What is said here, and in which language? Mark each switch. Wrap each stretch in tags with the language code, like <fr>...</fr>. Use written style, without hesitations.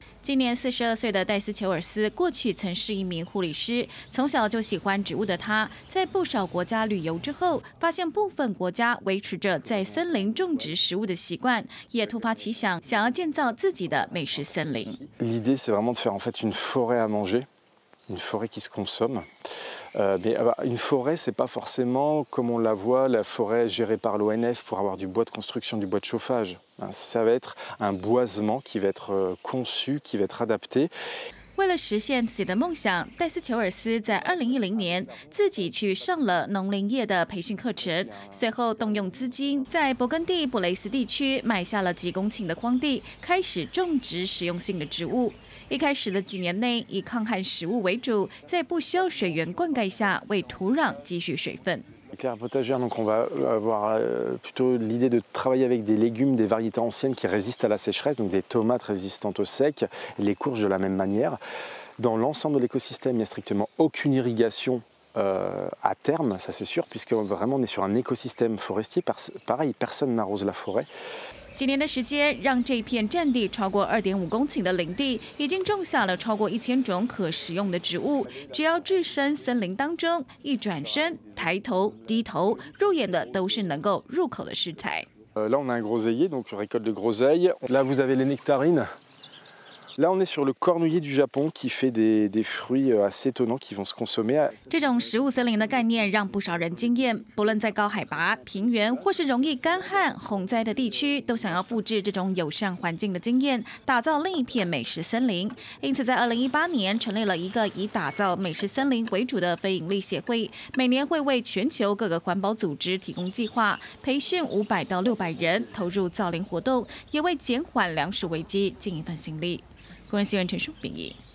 <zh>今年42岁的戴斯·裘尔斯，过去曾是一名护理师，从小就喜欢植物的他，在不少国家旅游之后，发现部分国家维持着在森林种植食物的习惯，也突发奇想，想要建造自己的美食森林。</zh> <fr>L'idée c'est vraiment de faire en fait une forêt à manger, une forêt qui se consomme. Mais une forêt c'est pas forcément comme on la voit la forêt gérée par l'ONF pour avoir du bois de construction, du bois de chauffage. Ça va être un boisement qui va être conçu, qui va être adapté.</fr> <zh>为了实现自己的梦想，戴斯·裘尔斯在2010年自己去上了农林业的培训课程，随后动用资金在勃艮第布雷斯地区买下了几公顷的荒地，开始种植实用性的植物。一开始的几年内，以抗旱食物为主，在不需要水源灌溉下，为土壤积蓄水分。</zh> <fr>Terre potagère, donc on va avoir plutôt l'idée de travailler avec des légumes, des variétés anciennes qui résistent à la sécheresse, donc des tomates résistantes au sec, les courges de la même manière. Dans l'ensemble de l'écosystème, il n'y a strictement aucune irrigation à terme, ça c'est sûr, puisque vraiment on est sur un écosystème forestier. Pareil, personne n'arrose la forêt.</fr> <zh>几年的时间，让这片占地超过2.5公顷的林地，已经种下了超过1000种可食用的植物。只要置身森林当中，一转身、抬头、低头，入眼的都是能够入口的食材。</zh> <fr>Là, on a un groseillier, donc récolte de groseille. Là, vous avez les nectarines. Là, on est sur le cornouiller du Japon, qui fait des fruits assez étonnants qui vont se consommer.</fr> <zh>这种食物森林的概念让不少人惊艳。不论在高海拔、平原，或是容易干旱、洪灾的地区，都想要复制这种友善环境的经验，打造另一片美食森林。因此，在2018年成立了一个以打造美食森林为主的非营利协会，每年会为全球各个环保组织提供计划，培训500到600人，投入造林活动，也为减缓粮食危机尽一份心力。公安新闻陈淑秉。</zh>